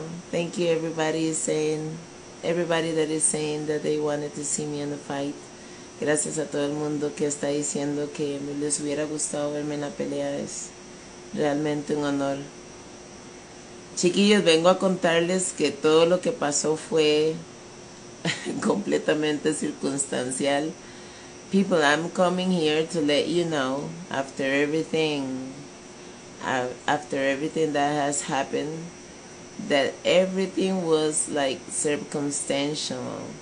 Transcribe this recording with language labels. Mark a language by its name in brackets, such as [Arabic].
[English] Thank you, everybody that is saying that they wanted to see me in the fight. [Spanish] Gracias a todo el mundo que está diciendo que les hubiera gustado verme en la pelea. Es realmente un honor. Chiquillos, vengo a contarles que todo lo que pasó fue completamente circunstancial. [English] People, I'm coming here to let you know, after everything that has happened, that everything was like circumstantial.